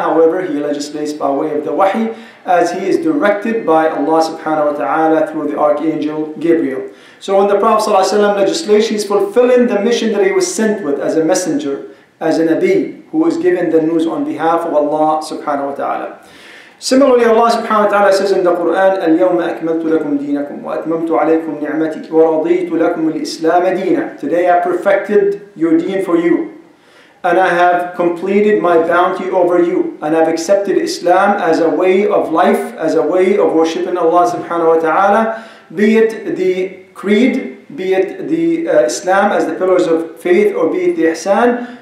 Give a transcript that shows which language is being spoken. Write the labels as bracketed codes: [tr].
[en] However, he legislates by way of the wahi, as he is directed by Allah subhanahu wa ta'ala through the archangel Gabriel. So when the Prophet sallallahu alaihi wasallam legislates, he's fulfilling the mission that he was sent with as a messenger, as a Nabi, who is given the news on behalf of Allah subhanahu wa ta'ala. [ar] Similarly, Allah subhanahu wa ta'ala says in the Quran, اليوم أكملت لكم دينكم وأتممت عليكم نعمتي ورضيت لكم الإسلام دينا. [en] Today I perfected your deen for you, and I have completed my bounty over you, and I've accepted Islam as a way of life, as a way of worshipping Allah subhanahu wa ta'ala, be it the creed, be it the Islam as the pillars of faith, or be it the ihsan.